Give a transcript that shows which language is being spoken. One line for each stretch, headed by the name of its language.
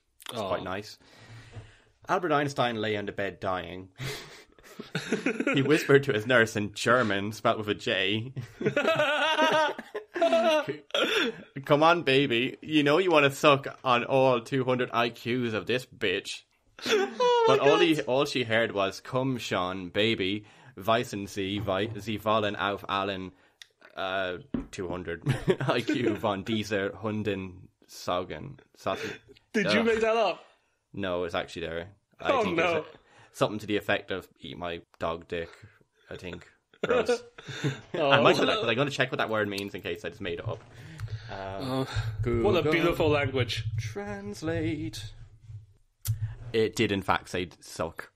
English: It's quite nice. Albert Einstein lay on the bed dying. He whispered to his nurse in German, spelt with a J. Come on, baby. You know you want to suck on all 200 IQs of this bitch. Oh, but God. All she heard was, come, Sean, baby.
German: Weissen Sie, wollen auf allen 200 IQ von dieser Hunden saugen.
English: Did you make that up? No, it's actually there. I think something to the effect of eat my dog dick, I think. Gross. I might have that, but I'm going to check what that word means in case I just made it up. What a beautiful language. Translate. It did, in fact, say suck.